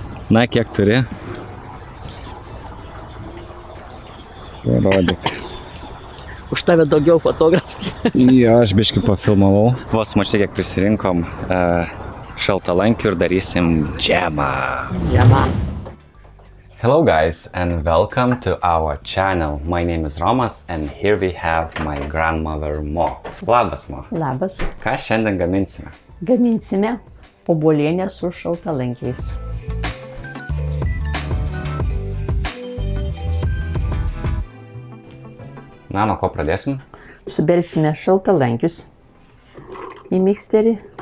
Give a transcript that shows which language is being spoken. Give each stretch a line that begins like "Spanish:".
Lithuanian: Na, kiek turi? Parodik. Už tave daugiau fotografas. Jo, aš biškį pafilmavau. Vos mačiai, kiek prisirinkom. Šaltalankių ir darysim džemą. Džemą.
English: Hello guys and welcome to our channel. My name is Romas and here we have my grandmother Mo.
Lithuanian: Labas, Mo. Labas. Ką šiandien gaminsime? Gaminsime obuolienę su šaltalankiais. Na, nuo ko pradėsim? Suberisime šaltalankius į miksterį.